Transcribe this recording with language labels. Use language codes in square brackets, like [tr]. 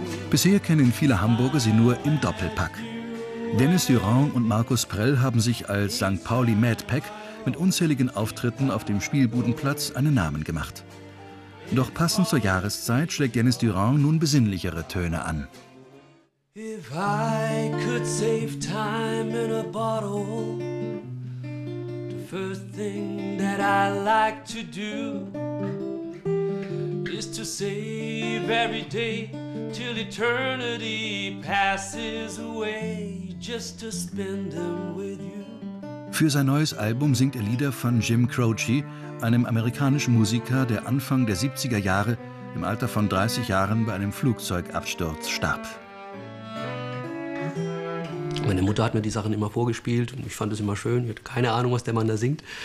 [de] Bisher kennen viele Hamburger sie nur im Doppelpack. Dennis Durand und Markus Prell haben sich als St. Pauli Mad Pack mit unzähligen Auftritten auf dem Spielbudenplatz einen Namen gemacht. Doch passend zur Jahreszeit schlägt Dennis Durand nun besinnlichere Töne an. [en] If I could save time in a bottle, the first thing that I like to do is to save every day till eternity passes away, just to spend them with you. [de] Für sein neues Album singt er Lieder von Jim Croce, einem amerikanischen Musiker, der Anfang der 70er Jahre im Alter von 30 Jahren bei einem Flugzeugabsturz starb. Meine Mutter hat mir die Sachen immer vorgespielt und ich fand es immer schön. Ich hatte keine Ahnung, was der Mann da singt.